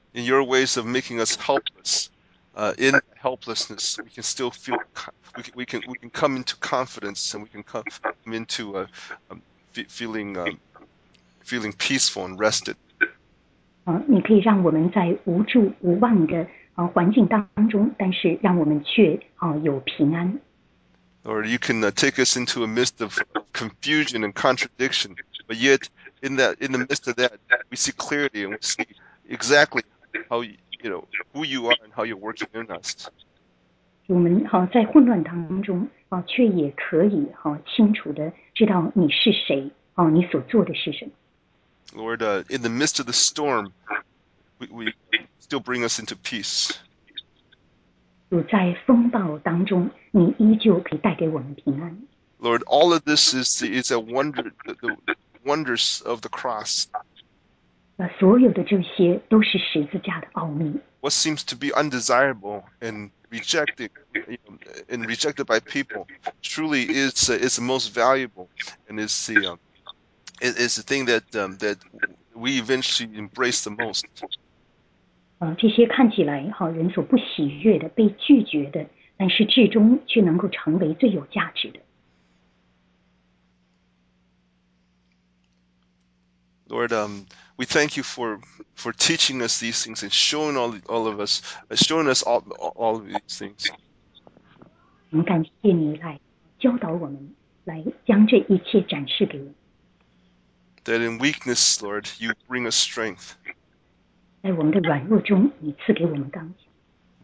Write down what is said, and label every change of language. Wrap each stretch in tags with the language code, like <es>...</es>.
<en>In your ways of making us helpless, in helplessness, we can still feel we can come into confidence and we can come into feeling peaceful and rested.</en> <zh>你可以让我们在无助无望的。环境当中，但是让我们却有平安。</zh> <en>Or you can take us into a mist of confusion and contradiction, but yet in the midst of that, we see clarity and we see exactly how who you are and how you're working in us.</en> <zh>我们在混乱当中却也可以清楚的知道你是谁你所做的是什么。</zh> <en>Lord, in the midst of the storm. We still bring us into peace.</en> <zh>主在风暴当中，你依旧可以带给我们平安。</zh> <en>Lord, all of this is a wonder, the wonders of the cross.</en> <zh>所有的这些都是十字架的奥秘。</zh> <en>What seems to be undesirable and rejected, and rejected by people, truly is the most valuable, and is the thing that we eventually embrace the most.</en> <zh>这些看起来人所不喜悦的被拒绝的但是至终却能够成为最有价值的。</zh> <en>Lord, we thank you for teaching us these things and showing all of us, showing us all of these things.</en> <zh>我们感谢你来教导我们来将这一切展示给我们。</zh> <en>That in weakness, Lord, you bring us strength.</en> <zh>在我们的软弱中，你赐给我们刚强。</zh>